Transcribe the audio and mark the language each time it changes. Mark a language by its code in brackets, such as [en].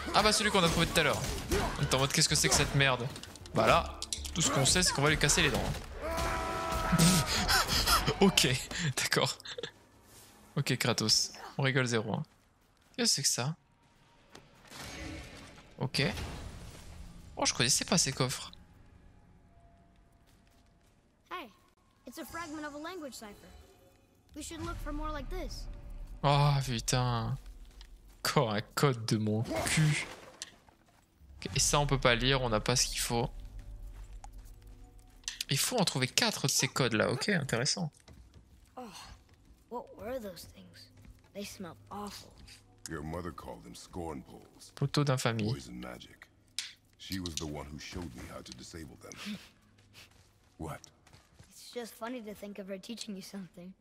[fr] Ah bah, celui qu'on a trouvé tout à l'heure. On est en mode, qu'est-ce que c'est que cette merde? Bah là, tout ce qu'on sait, c'est qu'on va lui casser les dents. Hein. Ok, d'accord. Ok, Kratos. On rigole zéro. Hein. Qu'est-ce que c'est que ça? Ok. Oh, je connaissais pas ces coffres. [en] Hey, it's a fragment of a language cipher. We should look for more like this. [fr] Oh putain. Encore un code de mon cul. Okay, et ça on peut pas lire, on n'a pas ce qu'il faut. Il faut en trouver 4 de ces codes là, ok, intéressant. [en] Oh, what were those things? They smelled awful. Your mother called them scorn poles. [fr] Poteau d'infamie. [en] Poison magic. She was the one who showed me how to disable them. What? It's just funny to think of her teaching you something.